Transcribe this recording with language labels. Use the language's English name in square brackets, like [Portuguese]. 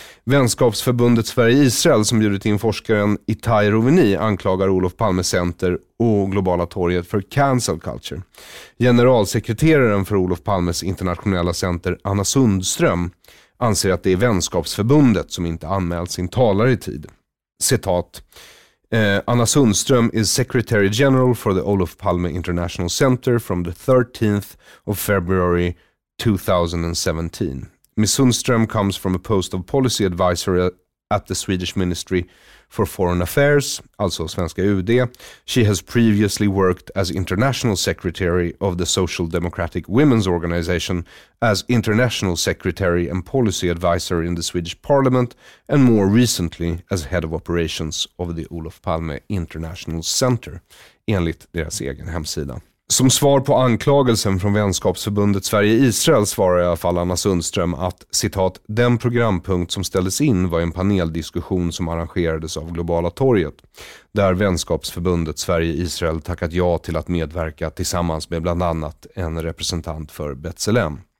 [Swedish] Vänskapsförbundet Sverige-Israel som bjudit in forskaren Itay Roveny anklagar Olof Palme Center och Globala torget för cancel culture. Generalsekreteraren för Olof Palmes internationella center Anna Sundström anser att det är Vänskapsförbundet som inte anmält sin talare i tid. Citat: [English] Anna Sundström is Secretary General for the Olof Palme International Center from the 13th of February 2017. Ms. Sundström comes from a post of policy advisor at the Swedish Ministry for Foreign Affairs, [Swedish] alltså svenska UD. [English] She has previously worked as International Secretary of the Social Democratic Women's Organization, as International Secretary and Policy Advisor in the Swedish Parliament, and more recently as Head of Operations of the Olof Palme International Center, [Swedish] enligt deras egen hemsida. Som svar på anklagelsen från Vänskapsförbundet Sverige-Israel svarar i alla fall Anna Sundström att, citat, den programpunkt som ställdes in var en paneldiskussion som arrangerades av Globala torget, där Vänskapsförbundet Sverige-Israel tackat ja till att medverka tillsammans med bland annat en representant för Betselem.